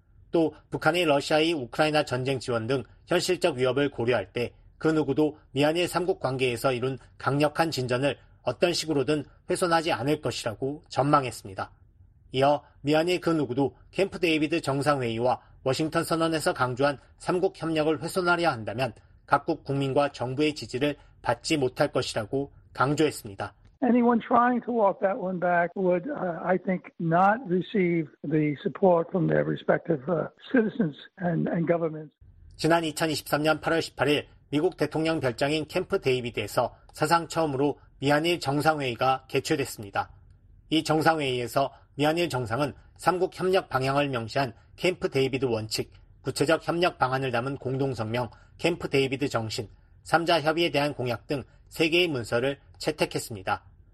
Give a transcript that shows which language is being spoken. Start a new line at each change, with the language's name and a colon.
Korean: 또 북한이 러시아의 우크라이나 전쟁 지원 등 현실적 위협을 고려할 때 그 누구도 미한일 3국 관계에서 이룬 강력한 진전을 어떤 식으로든 훼손하지 않을 것이라고 전망했습니다. 이어 미한일 그 누구도 캠프 데이비드 정상회의와 워싱턴 선언에서 강조한 3국 협력을 훼손하려 한다면 각국 국민과 정부의 지지를 받지 못할 것이라고 강조했습니다.
English: Anyone trying to walk that one back would, I think, not receive the support from their respective citizens and governments.
Korean: 지난 2023년 8월 18일 미국 대통령 별장인 캠프 데이비드에서 사상 처음으로 미한일 정상회의가 개최됐습니다. 이 정상회의에서 미한일 정상은 3국 협력 방향을 명시한 캠프 데이비드 원칙, 구체적 협력 방안을 담은 공동성명, 캠프 데이비드 정신, 3자 협의에 대한 공약 등 3개의 문서를 채택했습니다.